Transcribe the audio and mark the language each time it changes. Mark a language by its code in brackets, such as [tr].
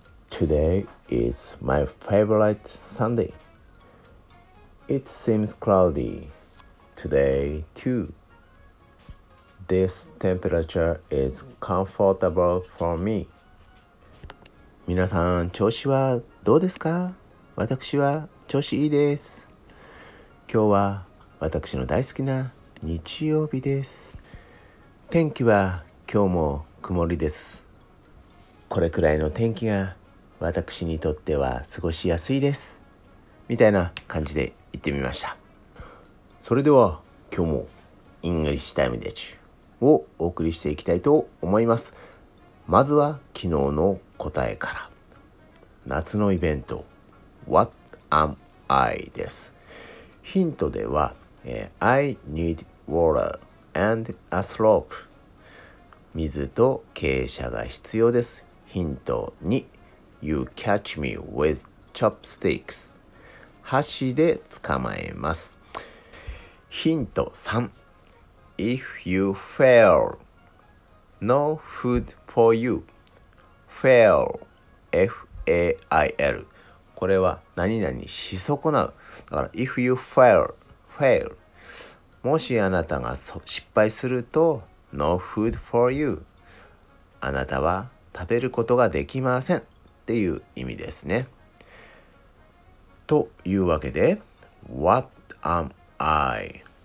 [en] Today is my favorite Sunday. It seems cloudy today too. This temperature is comfortable for me. [ja] 皆さん調子はどうですか？私は調子いいです。今日は私の大好きな日曜日です。天気は今日も曇りです。これくらいの天気が私にとっては過ごしやすいです。みたいな感じで言ってみました。それでは今日もイングリッシュタイムデッチをお送りしていきたいと思います。まずは昨日の答えから。夏のイベント。 [en] What am I? [ja] です。ヒントでは、 [en] I need water and a slope. [ja] 水と傾斜が必要です。ヒント2。 [en] You catch me with chopsticks. [ja] 箸で捕まえます。ヒント3。 [en] If you fail, no food for you. [ja] Fail, F-A-I-L. これは何々し損なう。だから [en] If you fail, fail. [ja] もしあなたが失敗すると [en] No food for you. [ja] あなたは食べることができませんっていう意味ですね。というわけで [en] What am I?